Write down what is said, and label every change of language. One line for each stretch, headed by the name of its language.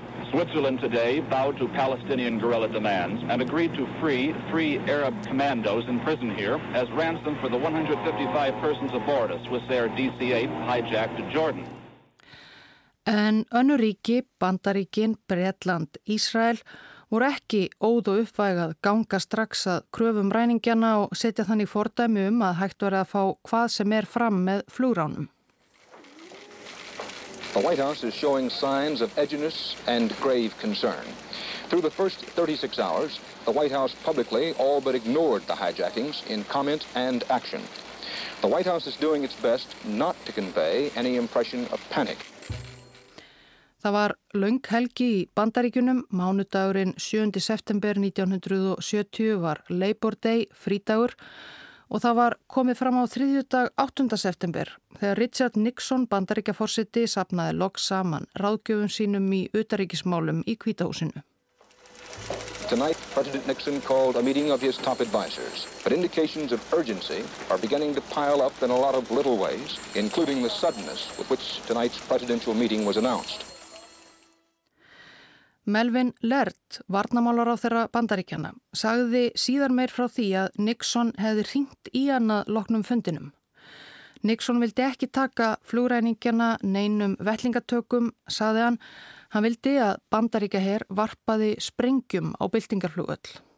English: Switzerland today bowed to Palestinian guerrilla demands and agreed to free three Arab commandos in prison here as ransom for the 155 persons aboard a Swissair DC-8 hijacked to Jordan.
Icelandic: En önnur ríki, Bandaríkin, Bretland, Ísrael voru ekki óð og uppvæg að ganga strax að kröfum ræningjana og setja þannig fordæmi að hægt verið að fá hvað sem fram með flugránum.
English: The White House is showing signs of edginess and grave concern. Through the first 36 hours, the White House publicly all but ignored the hijackings in comment and action. The White House is doing its best not to convey any impression of panic.
Icelandic: Það var löng helgi í Bandaríkjunum, mánudagurinn 7. september 1970 var Labor Day, frídagur, og það var komið fram á þriðjudag 8. september þegar Richard Nixon, Bandaríkjaforseti, safnaði loks saman ráðgjöfum sínum í utanríkismálum í Hvíta húsinu.
English: Tonight, President Nixon called a meeting of his top advisors, but indications of urgency are beginning to pile up in a lot of little ways, including the suddenness with which tonight's presidential meeting was announced.
Icelandic: Melvin Laird, varnarmálaráðherra Bandaríkjanna, sagði síðar meir frá því að Nixon hefði hringt í hann að loknum fundinum. Nixon vildi ekki taka flugræningjanna neinum vellingatökum, sagði hann. Hann vildi að Bandaríkjaher varpaði sprengjum á byltingarflugvöll.